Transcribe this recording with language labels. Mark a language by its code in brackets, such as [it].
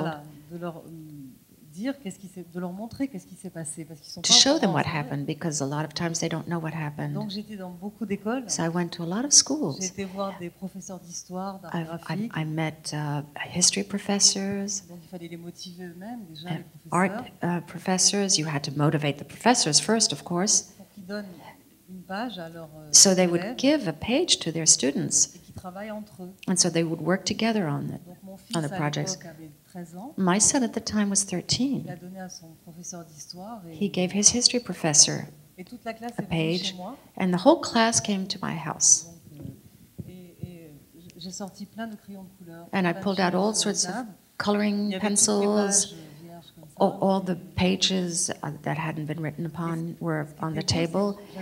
[fr] Voilà, de leur dire qu'est-ce qui s'est, de leur montrer qu'est-ce qui s'est passé parce qu'ils sont [en] to [fr] pas [en] show them what happened because a lot of times they don't know what happened. [fr] Donc j'étais dans beaucoup d'écoles. [en] So I went to a lot of schools. [fr] J'ai été voir des professeurs d'histoire, d'art graphique. [en] I met history professors. [fr] Donc, il fallait les motiver eux-mêmes déjà les professeurs. [en] Art professors, you had to motivate the professors first, of course. [fr] Pour qu'ils donnent une page à leurs élèves. [en] So they would give a page to their students. [fr] Et qu'ils travaillent entre eux. [en] And so they would work together on it. [fr] Donc mon fils [en] on the projects. My son at the time was 13. [fr] Il a donné à son professeur d'histoire et [en] he gave his history professor [fr] et toute la classe [en] a page, [fr] chez moi. [en] And the whole class came to my house. [fr] Et j'ai sorti plein de crayons de couleur, [en] and I pulled out all sorts of coloring pencils. All the pages that hadn't been written upon were on the table.